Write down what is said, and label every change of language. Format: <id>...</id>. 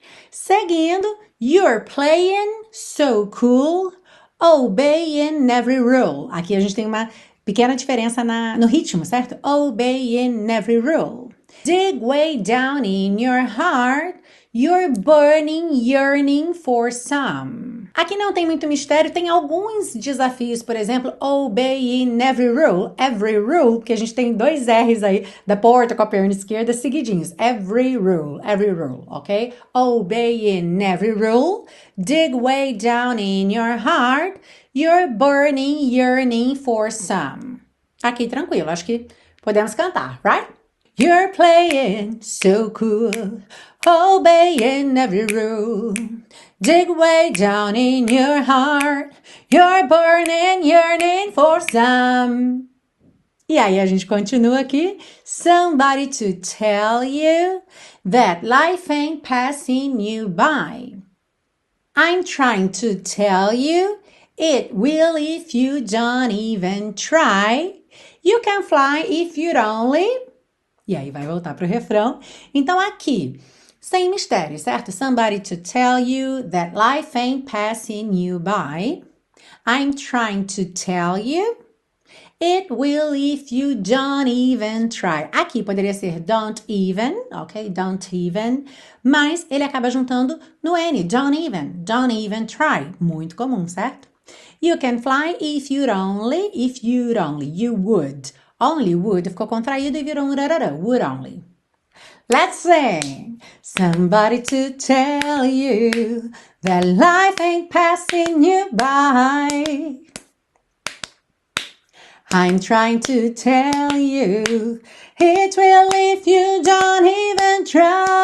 <pt>Seguindo,</pt> <en>you're playing so cool. Obeying every rule.</en> <pt>Aqui a gente tem uma pequena diferença no ritmo, certo?</pt> <en>Obeying every rule. Dig way down in your heart. You're burning, yearning for some.</en> <pt>Aqui não tem muito mistério, tem alguns desafios, por exemplo,</pt> <en>obeying every rule. Every rule,</en> <pt>porque a gente tem dois R's aí da porta com a perna esquerda seguidinhos.</pt> <en>Every rule, ok? Obeying every rule. Dig way down in your heart. You're burning, yearning for some.</en> <pt>Aqui tranquilo, acho que podemos cantar,</pt> <en>right? You're playing so cool, obeying every rule. Dig way down in your heart, you're burning, yearning for some.</en> <pt>E aí a gente continua aqui.</pt> <en>Somebody to tell you that life ain't passing you by. I'm trying to tell you it will if you don't even try. You can fly if you'd only.</en> <pt>E aí vai voltar para o refrão. Então aqui, sem mistério, certo?</pt> <en>Somebody to tell you that life ain't passing you by. I'm trying to tell you. It will if you don't even try.</en> <pt>Aqui poderia ser</pt> <en>don't even, ok? Don't even.</en> <pt>Mas ele acaba juntando no N.</pt> <en>Don't even try.</en> <pt>Muito comum, certo?</pt> <en>You can fly if you'd only, you would. Only would</en> <pt>ficou contraído e virou um rarara.</pt> <en>Would only. Let's sing. Somebody to tell you that life ain't passing you by. I'm trying to tell you, it will if you don't even try.</en>